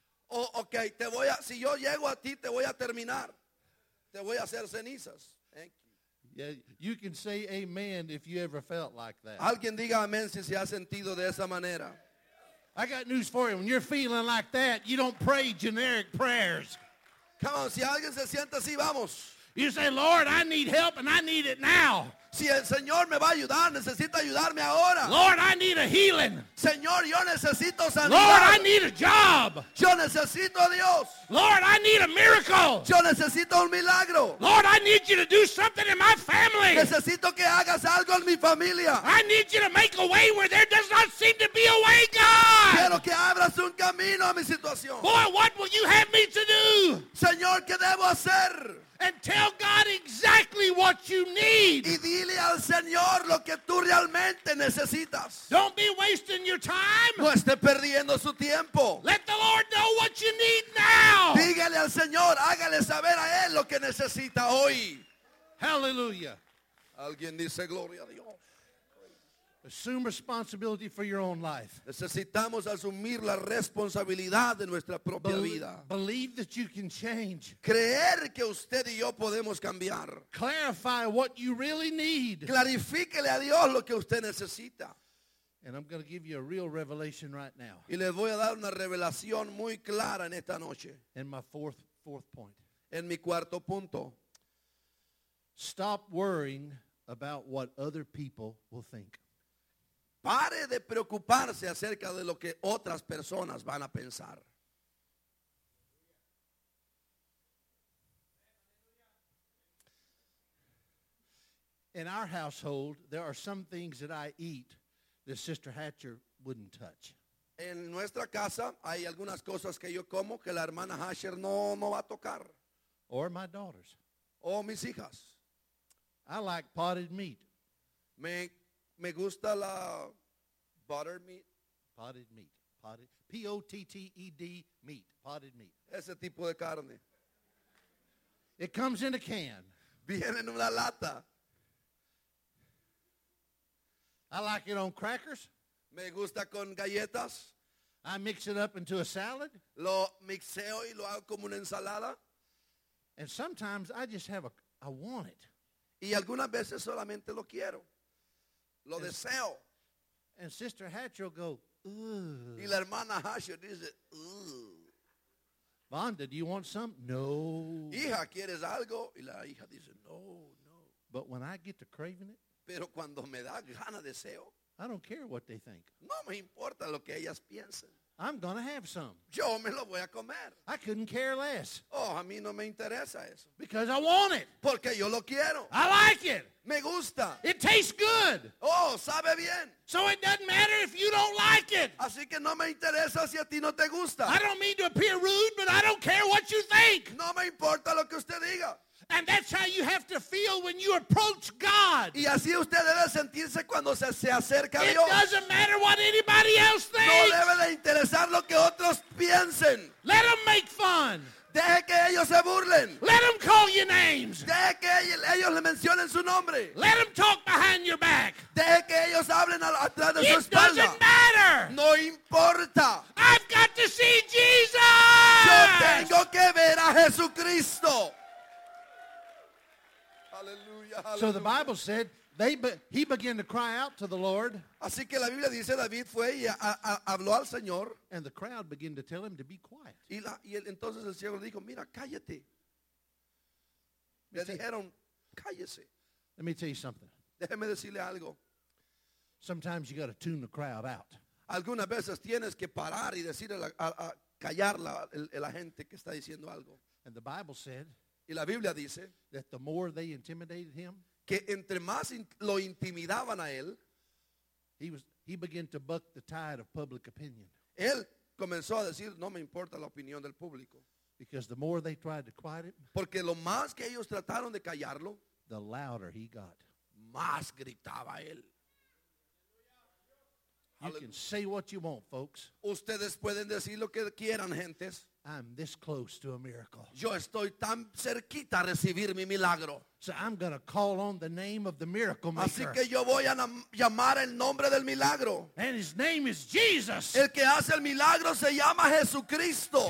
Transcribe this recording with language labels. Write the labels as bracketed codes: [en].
[es] Oh, okay, te voy a, si yo llego a ti, te voy a terminar. Te voy a hacer cenizas. [en] Thank you. Yeah, you can say amen if you ever felt like that. [es] Alguien diga amén si se ha sentido de esa manera. [en] I got news for you. When you're feeling like that, you don't pray generic prayers. Come on, [es] si alguien se siente así, vamos. [en] You say, Lord, I need help and I need it now. [es] Si el Señor me va a ayudar, necesito ayudarme ahora. [en] Lord, I need a healing. [es] Señor, yo necesito sanidad. [en] Lord, I need a job. [es] Yo necesito a Dios. [en] Lord, I need a miracle. [es] Yo necesito un milagro. [en] Lord, I need you to do something in my family. [es] Necesito que hagas algo en mi familia. [en] I need you to make a way where there does not seem to be a way, God. [es] Quiero que abras un camino a mi situación. [en] Boy, what will you have me to do? [es] Señor, ¿qué debo hacer? [en] And tell God exactly what you need. [es] Y dile al Señor lo que tú realmente necesitas. [en] Don't be wasting your time. [es] No esté perdiendo su tiempo. [en] Let the Lord know what you need now. [es] Dígale al Señor, hágale saber a Él lo que necesita hoy. [en] Hallelujah. [es] Alguien dice gloria a Dios. [en] Assume responsibility for your own life. [es] Necesitamos asumir la responsabilidad de nuestra propia vida. [en] Believe that you can change. [es] Creer que usted y yo podemos cambiar. [en] Clarify what you really need. [es] Clarifíquele a Dios lo que usted necesita. [en] And I'm going to give you a real revelation right now. [es] Y le voy a dar una revelación muy clara en esta noche. [en] And my fourth point. [es] En mi cuarto punto. [en] Stop worrying about what other people will think. [es] Pare de preocuparse acerca de lo que otras personas van a pensar. [en] In our household, there are some things that I eat that Sister Hatcher wouldn't touch. [es] En nuestra casa hay algunas cosas que yo como que la hermana Hatcher no va a tocar. [en] Or my daughters. [es] O mis hijas. [en] I like potted meat. [es] Me gusta la buttered meat. [en] Potted meat. P-O-T-T-E-D meat. Potted meat. [es] Ese tipo de carne. [en] It comes in a can. [es] Viene en una lata. [en] I like it on crackers. [es] Me gusta con galletas. [en] I mix it up into a salad. [es] Lo mixeo y lo hago como una ensalada. [en] And sometimes I just have I want it. [es] Y algunas veces solamente lo quiero. Lo and, deseo. [en] And Sister Hatcher will go, ugh. [es] Y la hermana Hatcher dice, ugh. [en] Vonda, do you want some? No. [es] Hija, ¿quieres algo? Y la hija dice, no, no. [en] But when I get to craving it, [es] pero cuando me da gana deseo, [en] I don't care what they think. [es] No me importa lo que ellas piensen. [en] I'm going to have some. [es] Yo me lo voy a comer. [en] I couldn't care less. [es] Oh, a mí no me interesa eso. [en] Because I want it. [es] Porque yo lo quiero. [en] I like it. [es] Me gusta. [en] It tastes good. [es] Oh, sabe bien. [en] So it doesn't matter if you don't like it. [es] Así que no me interesa si a ti no te gusta. [en] I don't mean to appear rude, but I don't care what you think. [es] No me importa lo que usted diga. [en] And that's how you have to feel when you approach God. [es] Y así usted debe sentirse cuando se acerca a [en] it [es] Dios. [en] It doesn't matter what anybody else thinks. [es] No debe de interesar lo que otros piensen. [en] Let them make fun. [es] Deje que ellos se burlen. [en] Let them call your names. [es] Deje que ellos le mencionen su nombre. [en] Let them talk behind your back. [es] Deje que ellos hablen atrás de [en] it [es] su espalda. [en] It doesn't matter. [es] No importa. [en] I've got to see Jesus. [es] Yo tengo que ver a Jesucristo. [en] So the Bible said he began to cry out to the Lord. [es] Así que la Biblia dice David fue y habló al Señor. [en] And the crowd began to tell him to be quiet. [es] Y entonces el siervo dijo, mira, cállate. Le dijeron, cállese. [en] Let me tell you something. [es] Déjeme decirle algo. [en] Sometimes you got to tune the crowd out. [es] Algunas veces tienes que parar y decir a callar la gente que está diciendo algo. [en] And the Bible said. [es] Y la Biblia dice [en] that the more they intimidated him, [es] que entre más lo intimidaban a él, [en] he began to buck the tide of public opinion. [es] Él comenzó a decir, no me importa la opinión del público. [en] Because the more they tried to quiet him, [es] porque lo más que ellos trataron de callarlo, [en] the louder he got. [es] Más gritaba él. [en] You can say what you want, folks. [es] Ustedes pueden decir lo que quieran, gentes. [en] I'm this close to a miracle. [es] Yo estoy tan cerquita a recibir mi milagro. [en] So I'm going to call on the name of the miracle maker. [es] Así que yo voy a llamar el nombre del milagro. [en] And his name is Jesus. [es] El que hace el milagro se llama Jesucristo.